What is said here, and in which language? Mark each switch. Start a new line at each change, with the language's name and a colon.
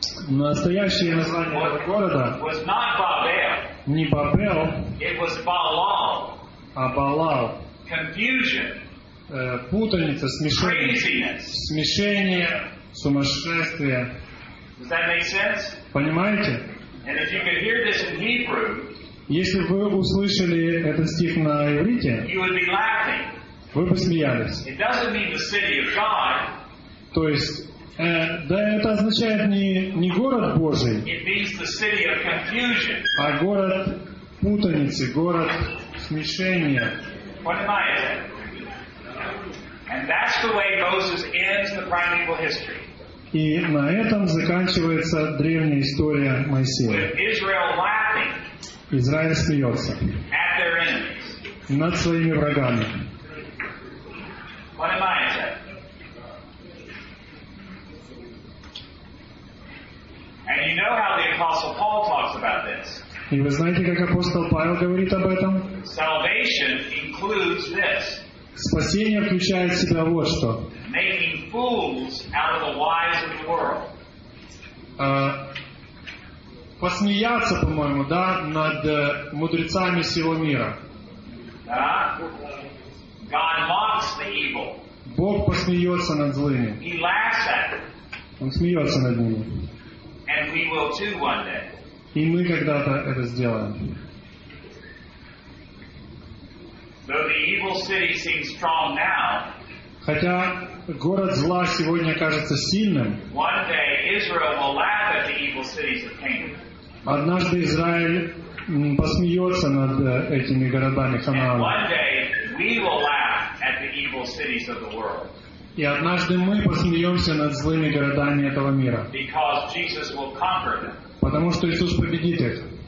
Russian: настоящее название этого города
English: was not Babel,
Russian: не Бабел,
English: it was Balal,
Russian: а Балал.
English: Confusion,
Russian: путаница, смешение,
English: craziness,
Russian: смешение, сумасшествие.
English: Does that make sense?
Russian: Понимаете?
English: And if you could hear this in Hebrew,
Russian: если бы вы услышали этот стих на иврите,
English: you would be laughing.
Russian: Вы бы смеялись.
English: It doesn't mean the city of God,
Russian: то есть да, это означает не город Божий,
English: it means the city of confusion,
Russian: а город путаницы, город смешения.
English: What am I saying? And that's the way Moses ends the primeval history.
Russian: И на этом заканчивается древняя история Моисея.
English: With Israel laughing,
Russian: Израиль смеется,
English: at their enemies,
Russian: над своими врагами.
English: What am I saying? And you know how the Apostle Paul talks about this.
Russian: И вы знаете, как апостол Павел говорит об этом?
English: Salvation includes this.
Russian: Спасение включает в себя вот что.
English: Making fools out of the wise of the world.
Russian: Посмеяться, по-моему, да, над мудрецами всего мира.
English: Да. God mocks the evil.
Russian: Бог посмеется над злыми.
English: He laughs at
Russian: Он смеется над ними.
English: And we will too one day.
Russian: И мы когда-то это сделаем.
English: Though the evil city seems strong now,
Russian: хотя город зла сегодня кажется сильным,
English: one day Israel will laugh at the evil cities of Canaan.
Russian: Однажды Израиль посмеется над этими городами Ханаана.
English: And one day we will laugh at the evil cities of the world.
Russian: И однажды мы посмеемся над злыми городами этого мира.
English: Because Jesus will conquer them.
Russian: Потому что Иисус победит их.